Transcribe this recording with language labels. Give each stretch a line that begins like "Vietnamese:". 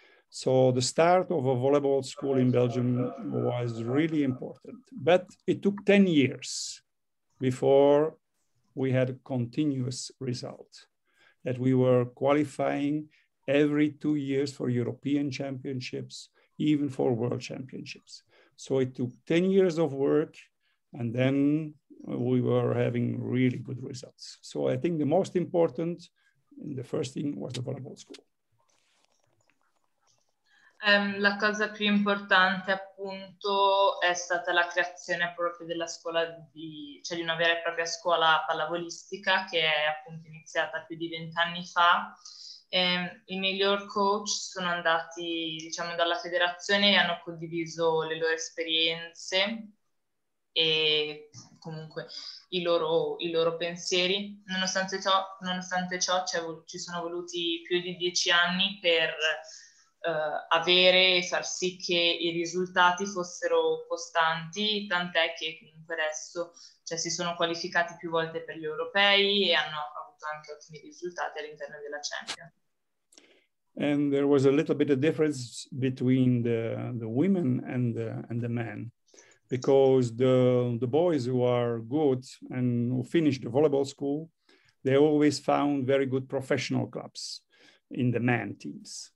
English: So the start of a volleyball school in Belgium was really important, but it took 10 years before we had a continuous result, that we were qualifying every 2 years for European championships, even for world championships. So it took 10 years of work, and then we were having really good results. So I think the most important, the first thing, was the volleyball school.
Italian: La cosa più importante, appunto, è stata la creazione proprio della scuola di una vera e propria scuola pallavolistica, che è, appunto, iniziata più di 20 anni fa. I miglior coach sono andati, diciamo, dalla federazione e hanno condiviso le loro esperienze e comunque i loro pensieri. Nonostante ciò ci sono voluti più di 10 anni per avere e far sì che i risultati fossero costanti, tant'è che comunque adesso, cioè, si sono qualificati più volte per gli europei e hanno avuto anche ottimi risultati all'interno della Champions.
English: And there was a little bit of difference between the women and the men, because the boys who are good and who finished the volleyball school, they always found very good professional clubs in the men teams.